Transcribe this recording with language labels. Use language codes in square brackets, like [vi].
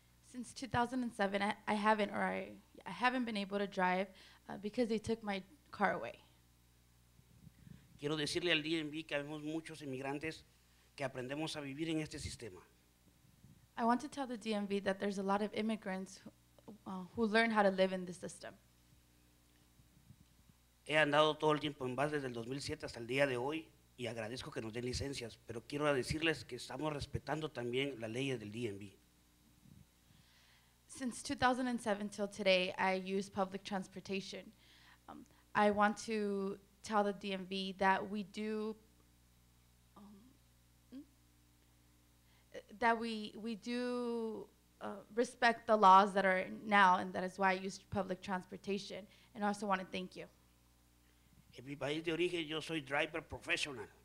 [en] Since 2007, I haven't been able to drive because they took my car away. [es] Quiero decirle al DMV que habemos muchos inmigrantes que aprendemos a vivir en este sistema. [en] I want to tell the DMV that there's a lot of immigrants who learn how to live in the system. [es] He andado todo el tiempo en base desde el 2007 hasta el día de hoy. Y agradezco que nos den licencias, pero quiero decirles que estamos respetando también la ley del DMV. [en] Since 2007 till today, I use public transportation. I want to tell the DMV that we respect the laws that are now, and that is why I use public transportation. And I also want to thank you. [es] En mi país de origen, yo soy [en] driver professional.